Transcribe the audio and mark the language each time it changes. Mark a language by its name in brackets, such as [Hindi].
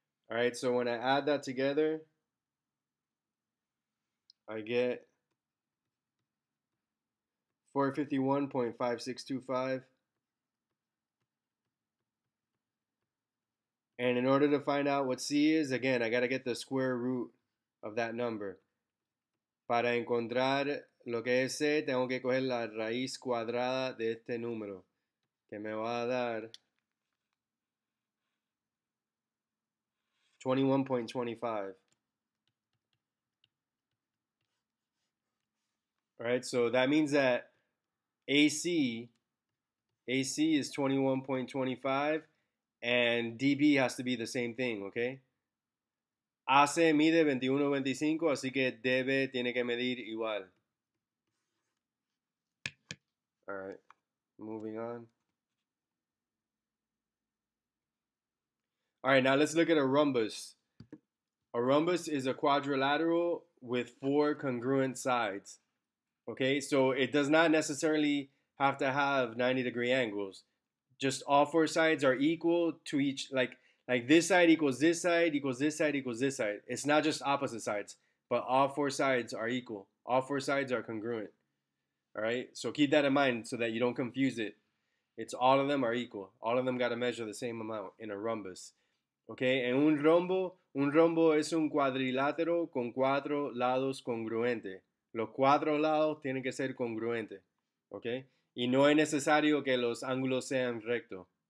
[English] All right, so when I add that together, I get 451.5625. And in order to find out what C is, again, I got to get the square root of that number. [Spanish] Para encontrar lo que es C, tengo que coger la raíz cuadrada de este número, que me va a dar 21.25. [English] All right, so that means that AC is 21.25. And DB has to be the same thing, okay? [Spanish] AC mide 21.25, así que DB tiene que medir igual. [English] All right, moving on. All right, now let's look at a rhombus. A rhombus is a quadrilateral with four congruent sides, okay? So it does not necessarily have to have 90-degree angles. Just all four sides are equal to each, like Like this side equals this side equals this side equals this side. It's not just opposite sides, but all four sides are equal. All four sides are congruent. All right. So keep that in mind so that you don't confuse it. It's all of them are equal. All of them got to measure the same amount in a rhombus. Okay. [Spanish] En un rombo es un cuadrilátero con cuatro lados congruente. Los cuatro lados tienen que ser congruente. Okay. Y no es necesario que los ángulos sean rectos.